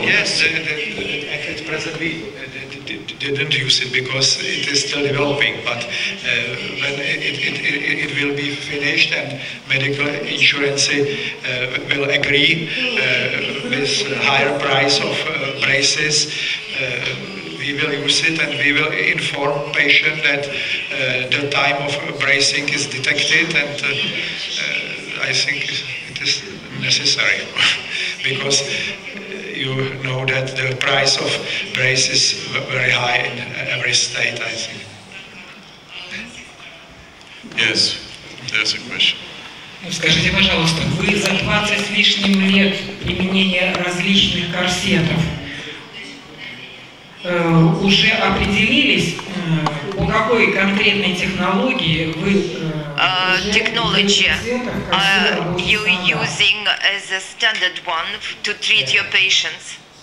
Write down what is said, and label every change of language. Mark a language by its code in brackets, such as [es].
[en] Yes, at present we didn't use it because it is still developing, but when it will be finished and medical insurance will agree with higher price of braces, we will use it and we will inform patient that the time of bracing is detected, and I think it is necessary because you know that the price of braces is very high in every state, I think. Yes, there's a question. [ru] Скажите, пожалуйста, вы за 20 с лишним лет применения различных корсетов уже определились, по какой конкретной технологии вы [en] technology you using as a standard one to treat your patients?